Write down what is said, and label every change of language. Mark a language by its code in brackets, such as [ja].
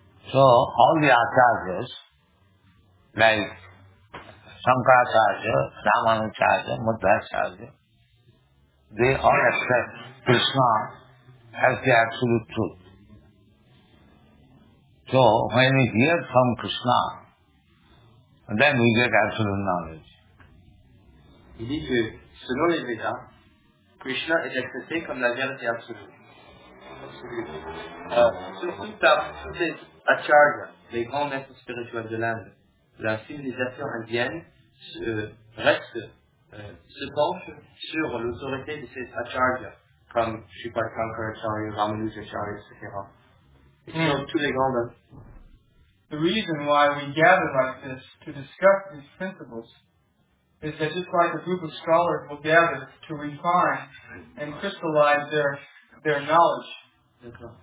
[en] So all the acharyas, like Shankaracharya, Ramanujacharya, Madhvacharya, they all accept Krishna as the absolute truth. So when we hear from Krishna, then we get absolute knowledge. [fr] Il dit que, selon les Vedas, Krishna est accepté comme la vérité absolue. Surtout les acharyas, les grands maîtres spirituels de l'Inde, la civilisation indienne, se penche sur l'autorité de ces acharyas, comme Sripad Shankaracharya, Ramanujacharya, etc. Tous les grands maîtres. [en] The reason why we gather like this to discuss these principles is that just like a group of scholars will gather to refine and crystallize their knowledge.